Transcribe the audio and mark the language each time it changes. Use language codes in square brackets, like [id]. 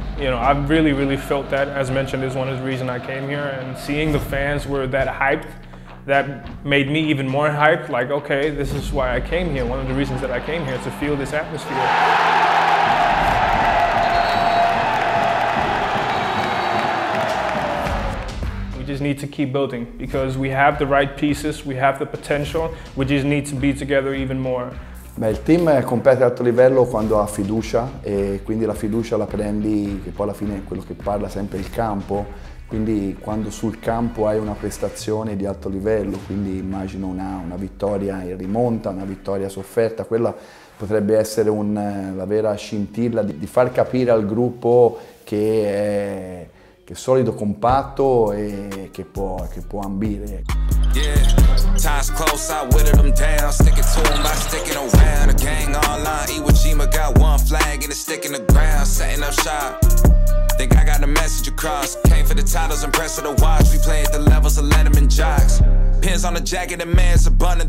[en] You know, I've really, really felt that, as mentioned, is one of the reasons I came here, and seeing the fans were that hyped, that made me even more hyped, like, okay, this is why I came here, one of the reasons that I came here, to feel this atmosphere. We just need to keep building, because we have the right pieces, we have the potential, we just need to be together even more. [it] Beh, il team compete ad alto livello quando ha fiducia e quindi la fiducia la prendi, che poi alla fine è quello che parla sempre il campo, quindi quando sul campo hai una prestazione di alto livello, quindi immagino una vittoria in rimonta, una vittoria sofferta, quella potrebbe essere la vera scintilla di far capire al gruppo che è solido, compatto e che può ambire. [en] Times close, I whittled them down, sticking to them by sticking around. A gang online, Iwo Jima got one flag and it's sticking the ground. Setting up shop, think I got a message across. Came for the titles, impressed with the watch. We play at the levels of Letterman jocks. Pins on the jacket, the man's abundant.